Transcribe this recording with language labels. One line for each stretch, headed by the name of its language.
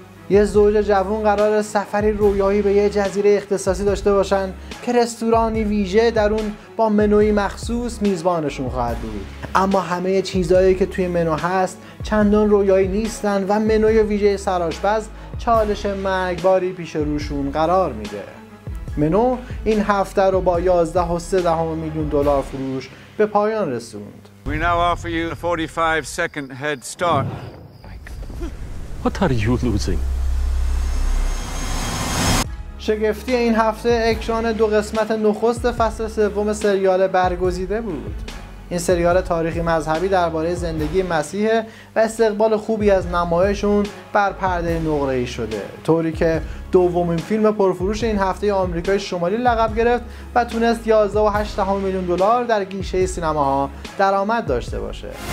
Persian: یه زوج جوان قرار سفری رویایی به یه جزیره اختصاصی داشته باشن که رستورانی ویژه در اون با منوی مخصوص میزبانشون خواهد بود. اما همه چیزهایی که توی منو هست چندان رویایی نیستن و منوی ویژه سرآشپز چالش مرگباری پیش روشون قرار میده. منو این هفته رو با 11.3 میلیون دلار فروش به پایان رسوند.
English: We now offer you a 45 second head start. What are you losing?
Persian: شگفتی این هفته اکران دو قسمت نخست فصل سوم سریال برگزیده بود. این سریال تاریخی مذهبی درباره زندگی مسیحه و استقبال خوبی از نمایشون بر پرده نقره‌ای شده، طوری که دومین فیلم پرفروش این هفته ای آمریکای شمالی لقب گرفت و تونست 11.8 میلیون دلار در گیشه سینماها درآمد داشته باشه.